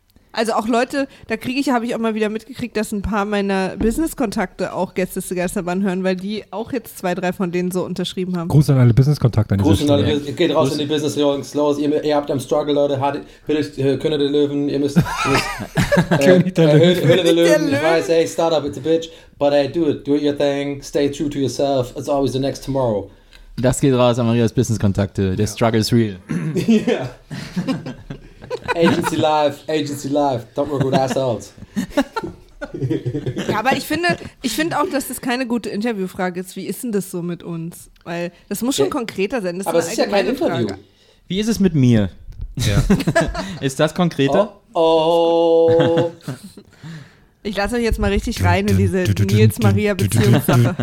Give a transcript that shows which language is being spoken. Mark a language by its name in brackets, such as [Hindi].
[German] Also auch Leute, habe ich auch mal wieder mitgekriegt, dass ein paar meiner Business-Kontakte auch Gäste zu Geisterbahn hören, weil die auch jetzt zwei, drei von denen so unterschrieben haben. Gruß an alle Business-Kontakte. Gruß an alle, geht raus in die Business, Jungs, los, ihr habt am Struggle, Leute, König der Löwen, ihr müsst, König der Löwen, ich weiß, [English] hey, Startup, it's a bitch, but hey, do your thing, stay true to yourself, it's always the next tomorrow. [German] Das geht raus an Marias Business-Kontakte, der yeah. [English] Struggle is real. Agency Life, don't work with assholes. [German] Ja, aber ich finde auch, dass das keine gute Interviewfrage ist. Wie ist denn das so mit uns? Weil das muss schon konkreter sein. Aber es ist ja kein Interview. Frage. Wie ist es mit mir? Ja. Ist das konkreter? Oh. Ich lasse euch jetzt mal richtig rein in diese Nils-Maria-Beziehungssache.